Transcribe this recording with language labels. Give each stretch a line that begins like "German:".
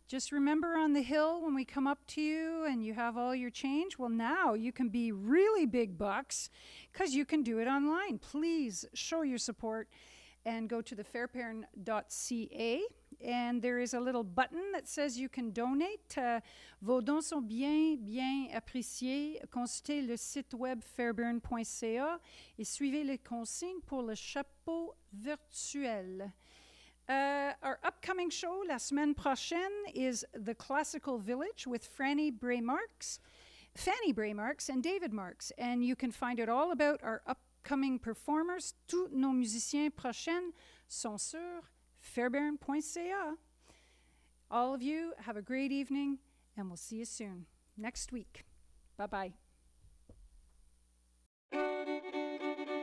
English: Just remember on the hill when we come up to you and you have all your change. Well, now you can be really big bucks because you can do it online. Please show your support and go to thefairparent.ca. And there is a little button that says you can donate.
French: Vos dons sont bien, bien appréciés. Consultez le site web fairburn.ca et suivez les consignes pour le chapeau virtuel.
English: Our upcoming show,
French: la semaine prochaine,
English: is The Classical Village with Fanny Bray Marks and David Marks. And you can find out all about our upcoming performers.
French: Tous nos musiciens prochains sont sur fairbairn.ca.
English: All of you have a great evening, and we'll see you soon next week. Bye-bye.